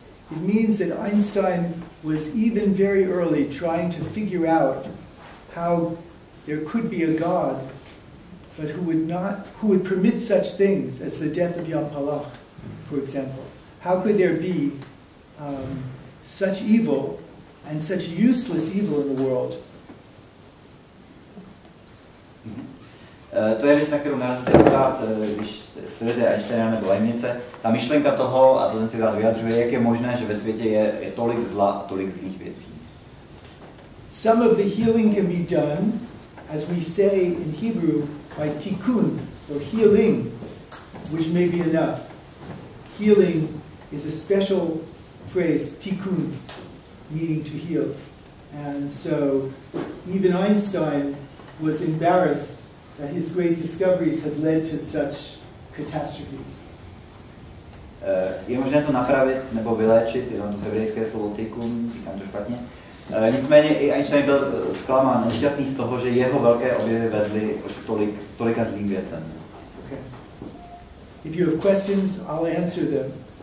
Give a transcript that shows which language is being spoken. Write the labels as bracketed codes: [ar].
[en] It means that Einstein was even very early trying to figure out how there could be a God, but who would permit such things as the death of Jan Palach, for example. How could there be such evil and such useless evil in the world? [cs] To je věc, na kterou narazíte pořád, když sledujete Einsteina nebo Leibnice. Ta myšlenka toho, a to ten citát vyjadřuje, jak je možné, že ve světě je tolik zla a tolik zlých věcí. [en] Some of the healing can be done, as we say in Hebrew, by tikkun, or healing, which may be enough. Healing is a special phrase, tikkun, meaning to heal. And so, even Einstein was embarrassed that his great discoveries had led to such catastrophes. [cs] Je možné to napravit nebo vyléčit, jenom to hebrejské slovo tikkun, říkám to špatně. Nicméně i Einstein byl zklamán, nešťastný z toho, že jeho velké objevy vedly tolika zlým věcem. [en] Okay. If you have questions, I'll answer them.